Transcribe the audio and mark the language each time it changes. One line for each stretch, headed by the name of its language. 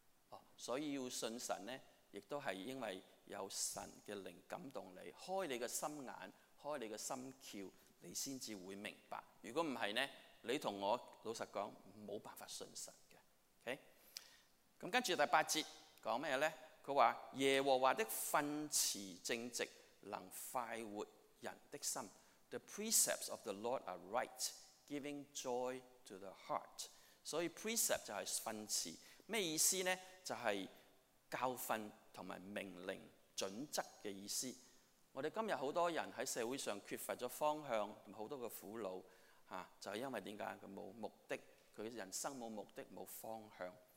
Chinese: 哦，所以要信神呢亦都是因为有神的灵感动你，开你的心眼，开你的心窍，你才会明白。如果不是呢，你和我老实说没办法信神的。 Okay? 跟着第八节讲什么呢？他说耶和华的训词正直，能快活人的心。
English: The precepts of the Lord are right, giving joy to the heart.
Chinese: 所以 precept 就是训词。什么意思呢？就是教训和命令准则的意思。我们今天很多人在社会上缺乏了方向，很多的苦恼，就是因为为什么？他没有目的，他的人生没有目的，没有方向。